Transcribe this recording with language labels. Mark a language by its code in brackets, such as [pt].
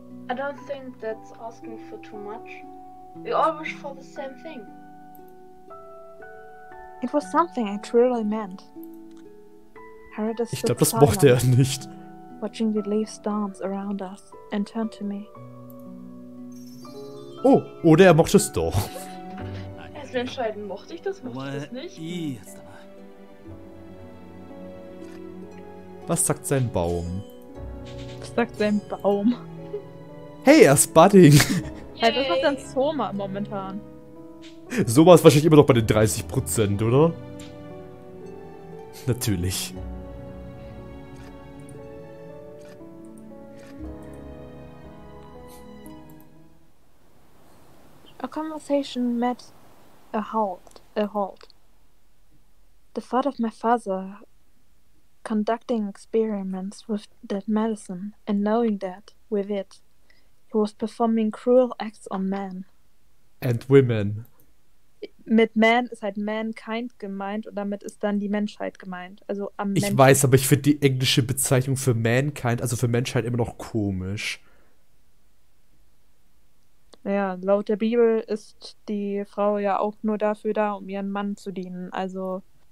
[en] I don't think that's asking for too much. We all wish for the same thing. It was something I truly meant. [de] Ich glaube, das mochte er nicht. [en] Watching the leaves dance around us and turn to me. [de] Oh, oder er mochte es doch. Er soll entscheiden, mochte ich das, mochte ich das nicht? Was sagt sein Baum? Was sagt sein Baum? Hey, er ist budding. Hey, das ist dann Soma momentan. Soma ist wahrscheinlich immer noch bei den 30%, oder? Natürlich. [en] A conversation met a halt. The thought of my father conducting experiments with that medicine and knowing that, with it, he was performing cruel acts on men. And women. [de] Mit man ist halt mankind gemeint und damit ist dann die Menschheit gemeint. Also am Menschen. Ich weiß, aber ich finde die englische Bezeichnung für mankind, also für Menschheit, immer noch komisch. Naja, laut der Bibel ist die Frau ja auch nur dafür da, um ihren Mann zu dienen, also...